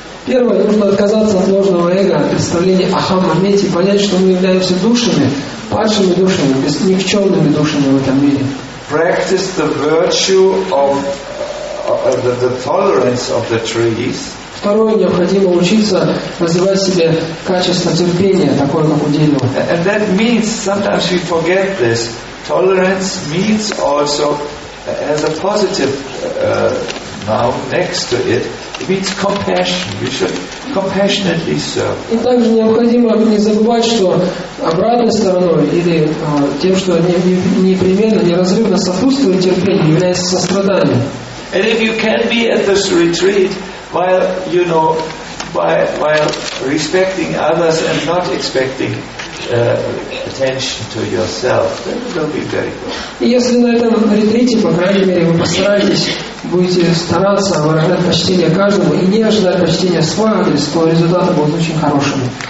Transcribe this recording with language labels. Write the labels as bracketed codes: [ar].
[ru] Первое, нужно отказаться от ложного эго, представления Ахамамети, понять, что мы являемся душами, падшими душами, никчемными душами в этом мире. [en] Practice the virtue of the tolerance of the trees. [ru] Второе, необходимо учиться развивать в себе качество терпения, такое как у дерева. [en] And that means, sometimes we forget this, tolerance means also as a positive now next to it. It means compassion. We should compassionately serve. [ru] И также необходимо не забывать, что обратной стороной или тем, что непременно, неразрывно сопутствует терпению, является сострадание. [en] And if you can be at this retreat while you know while respecting others and not expecting attention to yourself, then it will be very good. [ru] Если на этом ретрите, по крайней мере, вы постарались. Будете стараться выражать почтение каждому и не ожидать почтения в свой адрес, то результаты будут очень хорошими.